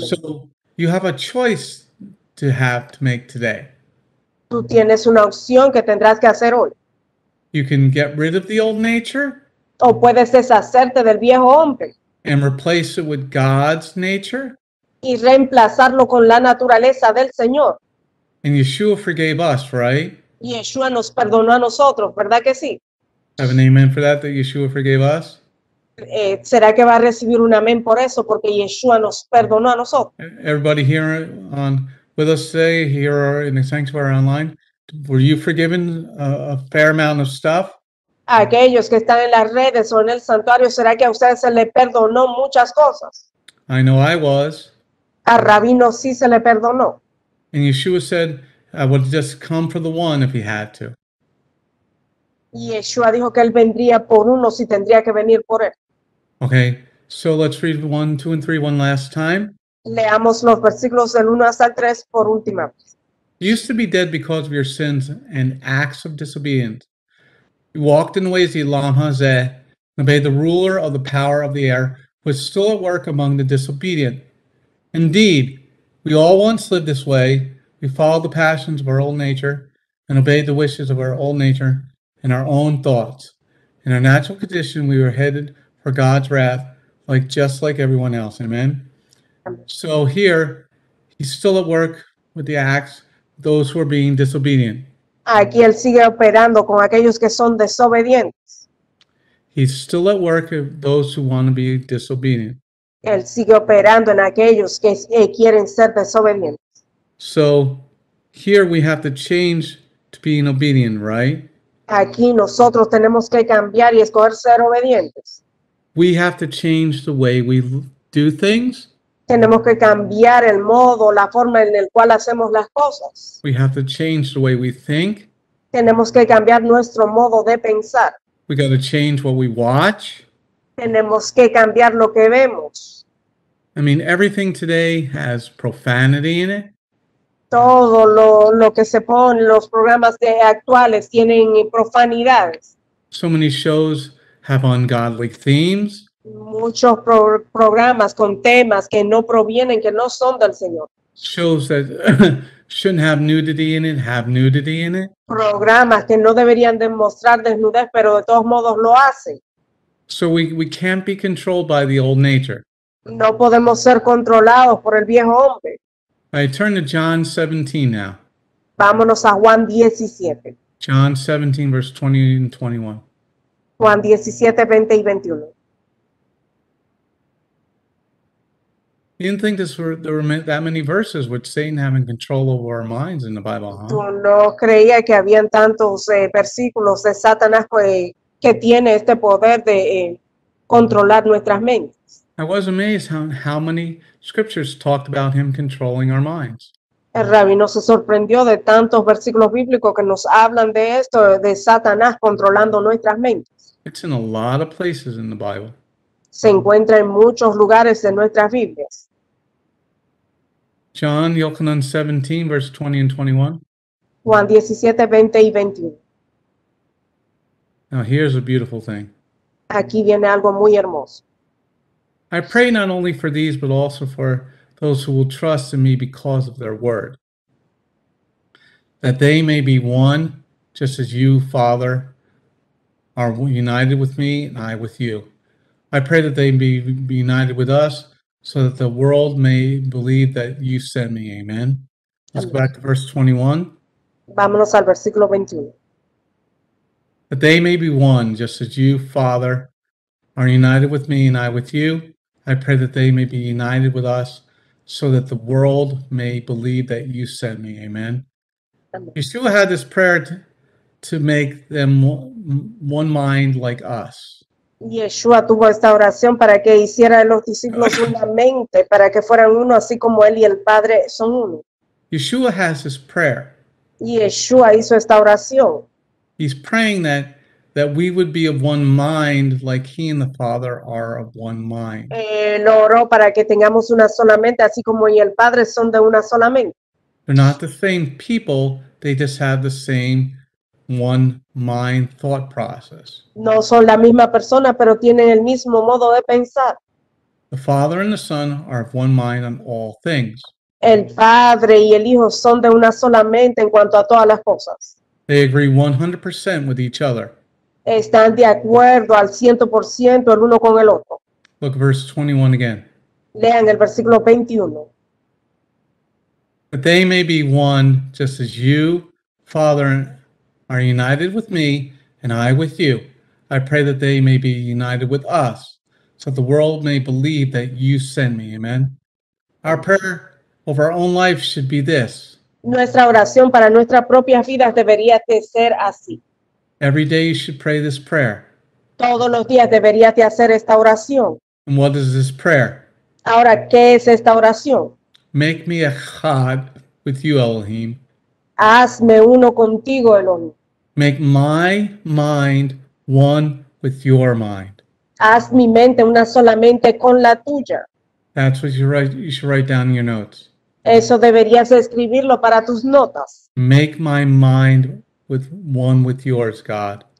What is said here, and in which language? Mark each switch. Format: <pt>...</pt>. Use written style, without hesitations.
<en>So you have a choice to make today.</en> <es>Tú tienes una opción que tendrás que hacer hoy.</es> <en>You can get rid of the old nature.</en> <es>O puedes deshacerte del viejo hombre.</es> <en>And replace it with God's nature.</en> <es>Y reemplazarlo con la naturaleza del Señor.</es> <en>And Yeshua forgave us, right?</en> <es>Yeshua nos perdonó a nosotros, ¿verdad que sí?</es> <en>Have an amen for that Yeshua forgave us?</en> <es>¿Será que va a recibir un amén por eso? Porque Yeshua nos perdonó a nosotros.</es> <en>Everybody here on with us today, here in the sanctuary online, were you forgiven a fair amount of stuff?</en> <es>aquellos que están en las redes o en el santuario, ¿será que a usted se le perdonó muchas cosas?</es> <en>I know I was.</en> <es>A Rabino sí se le perdonó.</es> <en>And Yeshua said, I would just come for the one if he had to.</en> <es>Y Yeshua dijo que él vendría por uno si tendría que venir por él.</es> <en>Okay, so let's read 1, 2, and 3 one last time.</en> <es>Leamos los versículos del 1 hasta el 3 por última vez.</es> <en>You used to be dead because of your sins and acts of disobedience. You walked in the ways of Elam HaZeh, and obeyed the ruler of the power of the air, who is still at work among the disobedient. Indeed, we all once lived this way. We followed the passions of our old nature and obeyed the wishes of our old nature and our own thoughts. In our natural condition, we were headed for God's wrath, like just like everyone else. Amen. So here, he's still at work with the acts of those who are being disobedient.</en> <es>Aquí él sigue operando con aquellos que son desobedientes.</es> <en>He's still at work with those who want to be disobedient.</en> <es>Él sigue operando en aquellos que quieren ser desobedientes.</es> <en>So here we have to change to being obedient, right?</en> <es>Aquí nosotros tenemos que cambiar y escoger ser obedientes.</es> <en>We have to change the way we do things.</en> <es>Tenemos que cambiar el modo, la forma en el cual hacemos las cosas.</es> <en>We have to change the way we think.</en> <es>Tenemos que cambiar nuestro modo de pensar.</es> <en>We got to change what we watch.</en> <es>Tenemos que cambiar lo que vemos.</es> <en>I mean, everything today has profanity in it.</en> <es>Todo lo que se pone, los programas de actuales tienen profanidades.</es> <en>So many shows have ungodly themes.</en> <es>Muchos programas con temas que no provienen, que no son del Señor.</es> <en>Shows that shouldn't have nudity in it, have nudity in it.</en> <es>Programas que no deberían demostrar desnudez, pero de todos modos lo hacen.</es> <en>So we can't be controlled by the old nature.</en> <es>No podemos ser controlados por el viejo hombre.</es> <en>I turn to John 17 now.</en> <es>Vámonos a Juan 17.</es> <en>John 17, verse 20 and 21.</en> <es>Juan 17, 20 y 21.</es> <en>You didn't think there were that many verses with Satan having control over our minds in the Bible, huh?</en> <es>Tú no creías que habían tantos versículos de Satanás que tiene este poder de controlar nuestras mentes.</es> <en>I was amazed how many scriptures talked about him controlling our minds.</en> <es>El rabino se sorprendió de tantos versículos bíblicos que nos hablan de esto, de Satanás controlando nuestras mentes.</es> <en>It's in a lot of places in the Bible.</en> <es>Se encuentra en muchos lugares de nuestras Biblias.</es> <en>John, Yochanan 17, verse 20 and 21.</en> <es>Juan 17, 20 y 21.</es> <en>Now here's a beautiful thing.</en> <es>Aquí viene algo muy hermoso.</es> <en>I pray not only for these, but also for those who will trust in me because of their word, that they may be one, just as you, Father, are united with me and I with you. I pray that they be united with us so that the world may believe that you sent me. Amen. Let's go back to verse 21.</en> <es>Vámonos al versículo 21.</es> <en>That they may be one, just as you, Father, are united with me and I with you. I pray that they may be united with us so that the world may believe that you sent me. Amen. Yeshua had this prayer to make them one mind like us.</en> <es>Yeshua tuvo esta oración para que hiciera a los discípulos una mente, para que fueran uno, así como él y el Padre son uno.</es> <en>Yeshua has his prayer.</en> <es>Yeshua hizo esta oración.</es> <en>He's praying that we would be of one mind, like he and the Father are of one mind.</en> <es>Él oró para que tengamos una sola mente, así como él y el Padre son de una sola mente.</es> <en>They're not the same people, they just have the same one mind thought process.</en> <es>No son la misma persona, pero tienen el mismo modo de pensar.</es> <en>The Father and the Son are of one mind on all things.</en> <es>El Padre y el Hijo son de una sola mente en cuanto a todas las cosas.</es> <en>They agree 100% with each other.</en> <es>Están de acuerdo al 100% el uno con el otro.</es> <en>Look at verse 21 again.</en> <es>Lean el versículo 21.</es> <en>But they may be one, just as you, Father, and are united with me, and I with you. I pray that they may be united with us, so the world may believe that you send me. Amen. Our prayer over our own life should be this.</en> <es>Nuestra oración para nuestras propias vidas debería de ser así.</es> <en>Every day you should pray this prayer.</en> <es>Todos los días deberías de hacer esta oración.</es> <en>And what is this prayer?</en> <es>Ahora, ¿qué es esta oración?</es> <en>Make me a chad with you, Elohim.</en> <es>Hazme uno contigo, Elohim.</es> <en>Make my mind one with your mind.</en> <es>Haz mi mente una solamente con la tuya.</es> <en>That's what you should write down in your notes.</en> <es>Eso deberías escribirlo para tus notas.</es> <en>Make my mind with one with yours, God.</en>